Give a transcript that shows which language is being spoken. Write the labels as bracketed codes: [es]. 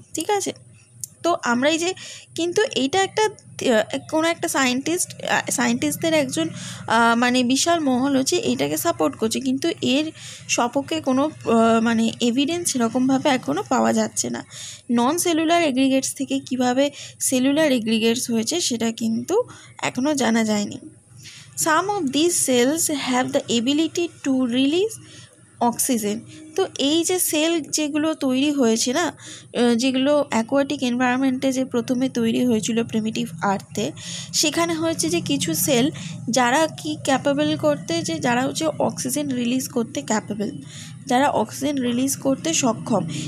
[bn] ঠিক আছে, তো আমরা এই যে কিন্তু এইটা একটা কোনো একটা সায়েন্টিস্টদের একজন মানে বিশাল মহল হচ্ছে এটাকে সাপোর্ট করছে, কিন্তু এর সপক্ষে কোনো মানে এভিডেন্স সেরকমভাবে এখনও পাওয়া যাচ্ছে না। নন সেলুলার এগ্রিগেটস থেকে কীভাবে সেলুলার এগ্রিগেটস হয়েছে সেটা কিন্তু এখনও জানা যায়নি। [en] Some of these cells have the ability to release oxygen. [bn] তো এই যে সেল যেগুলো তৈরি হয়েছে না, যেগুলো অ্যাকোয়াটিক এনভায়রনমেন্টে যে প্রথমে তৈরি হয়েছিল প্রিমিটিভ আর্থে, সেখানে হয়েছে যে কিছু সেল যারা কি ক্যাপেবল করতে, যে যারা হচ্ছে অক্সিজেন রিলিজ করতে ক্যাপেবল, যারা অক্সিজেন রিলিজ করতে সক্ষম।